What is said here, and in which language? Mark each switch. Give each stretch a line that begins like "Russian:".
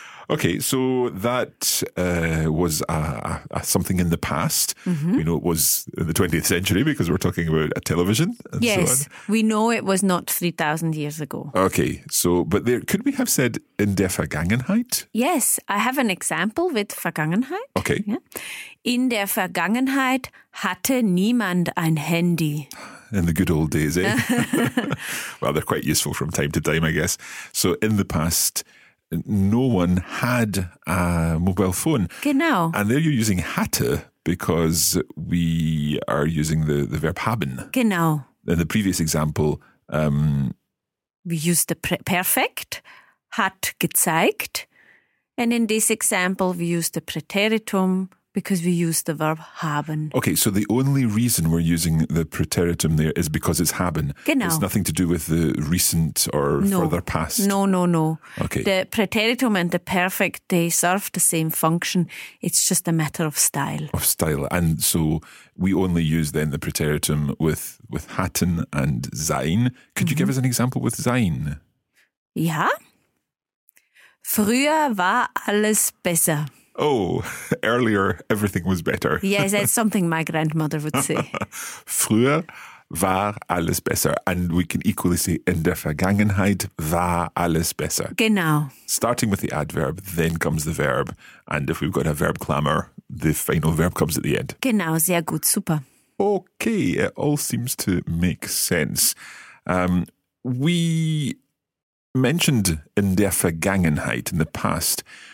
English: Okay, so that was something in the past. Mm-hmm. We know it was in the 20th century because we're talking about a television and yes, so on. Yes, we know it was not 3,000 years ago. Okay, so, but there could we have said
German: in der Vergangenheit?
English: Yes, I have an example with Vergangenheit. Okay. Yeah.
German: In der Vergangenheit hatte niemand ein Handy.
English: In the good old days, eh? Well, they're quite useful from time to time, I guess. So in the past, no one had a mobile phone.
German: Genau.
English: And there you're using hatte because we are using the verb haben.
German: Genau.
English: In the previous example, we used the perfect,
German: hat gezeigt.
English: And in this example, we used the preteritum because we used the verb haben. Okay, so the only reason we're using the preteritum there is because it's haben.
German: Genau.
English: It's nothing to do with the recent or further past. No. Okay. The preteritum and the perfect, they serve the same function. It's just a matter of style. Of style. And so we only use then the preteritum with hatten and sein. Could mm-hmm. you give us an example with sein?
German: Ja. Früher war alles besser.
English: Oh, earlier everything was better. Yes, that's something my grandmother would say.
German: Früher war alles besser.
English: And we can equally say
German: in der Vergangenheit war alles besser. Genau.
English: Starting with the adverb, then comes the verb. And if we've got a verb clamour, the final verb comes at the end.
German: Genau, sehr gut, super.
English: Okay, it all seems to make sense. We mentioned
German: in der Vergangenheit
English: in the past.